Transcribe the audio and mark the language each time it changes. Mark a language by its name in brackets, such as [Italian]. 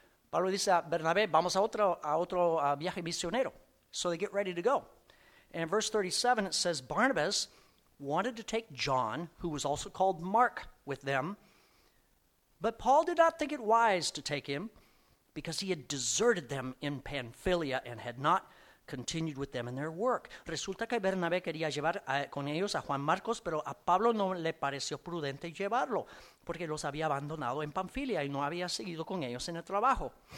[Spanish] Pablo dice a Bernabé, vamos a otro viaje misionero. [English] So they get ready to go. And in verse 37, it says, Barnabas wanted to take John, who was also called Mark, with them. But Paul did not think it wise to take him because he had deserted them in Pamphylia and had not continued with them in their work. [Spanish] Resulta que Bernabé quería llevar con ellos a Juan Marcos, pero a Pablo no le pareció prudente llevarlo, porque los había abandonado en Pamphylia y no había seguido con ellos en el trabajo.